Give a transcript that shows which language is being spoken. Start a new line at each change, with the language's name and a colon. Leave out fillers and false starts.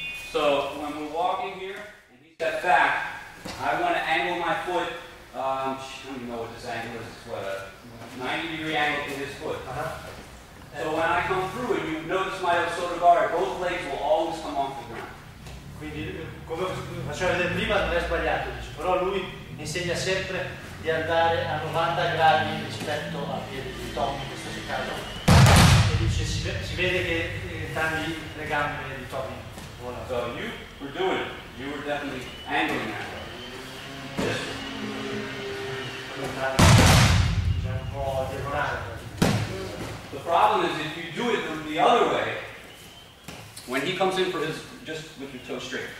English: So when we walk in here and he steps back, I want to angle my foot. I don't even know what this angle is. What a 90-degree angle to his foot. Uh-huh. So when I come through and you notice my soto guard, both legs will always come off the ground.
Italian: Quindi come faccio a vedere prima non è sbagliato, dice, però lui insegna sempre di andare a 90 gradi rispetto al piede di Tommy in questo caso. E dice si vede che entrambi le gambe di Tommy volano.
English: So you were doing it. You were definitely angling that.
Italian: C'è un po' diagonale.
English: The problem is if you do it the other way, when he comes in for his just with your toe straight.